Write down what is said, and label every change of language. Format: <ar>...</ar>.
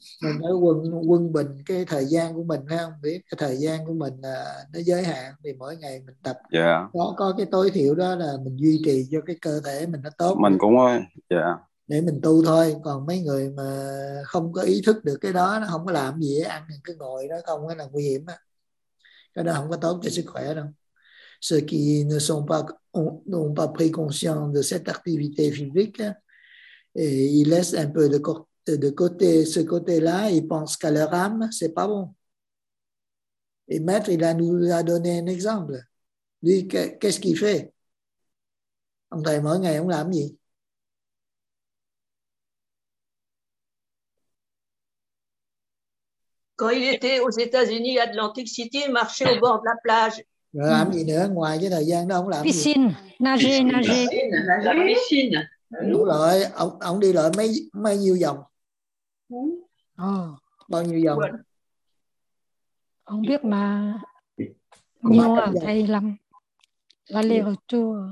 <vi>Mình phải quân bình cái thời gian của mình, không biết cái thời gian của mình nó giới hạn, thì mỗi ngày mình tập có cái tối thiểu đó là mình duy trì cho cái cơ thể mình nó tốt. Mình cũng ơi, để mình tu thôi. Còn mấy người mà không có ý thức được cái đó, nó không có làm gì, ăn thì cứ ngồi đó không là nguy hiểm á, cái đó không có tốt cho sức khỏe đâu.</vi> <fr>Ceux qui ne sont pas n'ont pas pris conscience de cette activité physique. Et il laisse un peu de côté ce côté-là, il pense qu'à leur âme, c'est pas bon. Et Maître, il nous a donné un exemple. Lui, qu'est-ce qu'il fait?</fr> <vi>Ông thầy mỗi ngày ông làm gì?</vi> <fr>Quand il était aux États-Unis, Atlantic City, il marchait au bord de la plage.</fr> <vi>Làm gì nữa? Ngoài cái thời gian đó, ông làm</vi> <fr>piscine,</fr> <vi>gì?</vi> <fr>Nager, piscine, nager. La piscine.</fr> <vi>Đúng rồi, ông đi lại mấy nhiêu vòng? Bao nhiêu vòng? Không biết mà. Nhiều à, thầy lắm. Là liều chua.</vi>